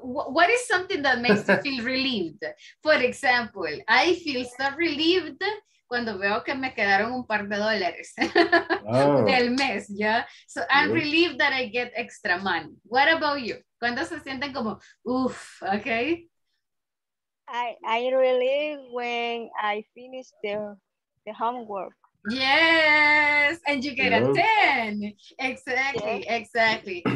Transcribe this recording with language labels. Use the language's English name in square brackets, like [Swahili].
[English] What is something that makes you feel relieved? For example, I feel so relieved [Spanish] cuando veo que me quedaron un par de dólares del mes, ¿ya? [English] So I'm relieved that I get extra money. What about you? [Spanish] ¿Cuándo se sienten como, uff, okay? [English] I relieved when I finish the homework. Yes, and you get a 10. Exactly, exactly.